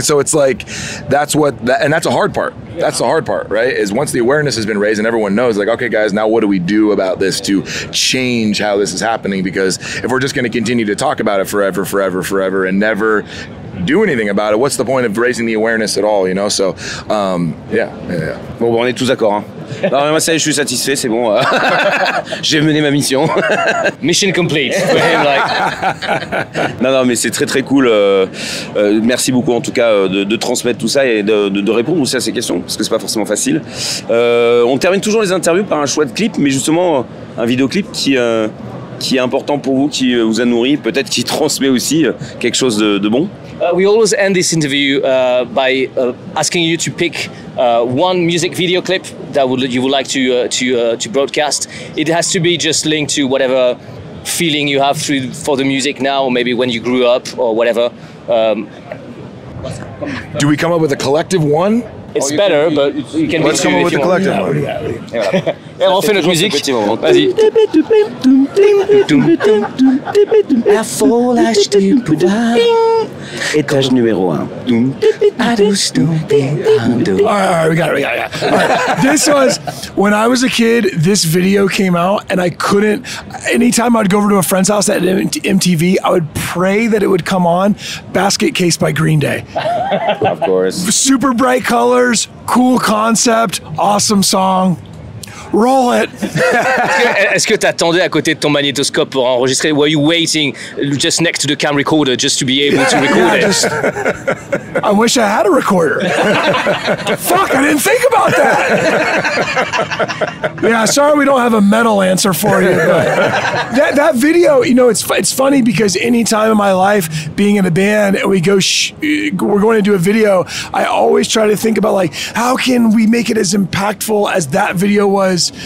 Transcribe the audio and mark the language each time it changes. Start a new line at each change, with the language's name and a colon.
English: So it's like, that's what, that, and that's a hard part. Yeah. That's the hard part, right? Is once the awareness has been raised and everyone knows, like, okay, guys, now what do we do about this to change how this is happening? Because if we're just going to continue to talk about it forever, and never do anything about it, what's the point of raising the awareness at all, you know? So, yeah.
French: Bon, on est tous d'accord, hein? Non, mais moi, ça, je suis satisfait, c'est bon. J'ai mené ma mission.
English: Mission complete. For him, like.
French: Non, mais c'est très, très cool. Merci beaucoup, en tout cas, de transmettre tout ça et de répondre aussi à ces questions, parce que c'est pas forcément facile. On termine toujours les interviews par un chouette clip, mais justement, un vidéoclip qui est important pour vous, qui vous a nourri, peut-être qui transmet aussi quelque chose de bon.
English: We always end this interview by asking you to pick one music video clip that you would like to broadcast. It has to be just linked to whatever feeling you have for the music now, or maybe when you grew up or whatever. Do we come up with a collective one? It's better, but you can be two if you want.
French: Et on fait notre musique. Vas-y. La folle acheté le poudre. Étage numéro 1.
English: All right, we got it. This was, when I was a kid, this video came out, and I couldn't, anytime I'd go over to a friend's house at MTV, I would pray that it would come on, Basket Case by Green Day. Of course. Super bright colors, cool concept, awesome song. Roll it.
French: Est-ce que t'attendais à côté de ton magnétoscope pour enregistrer?
English: Were you waiting just next to the cam recorder just to be able to record it? Just, I wish I had a recorder. Fuck, I didn't think about that. Yeah, sorry we don't have a metal answer for you. But that video, you know, it's funny because any time in my life being in a band and we go, we're going to do a video, I always try to think about like, how can we make it as impactful as that video was?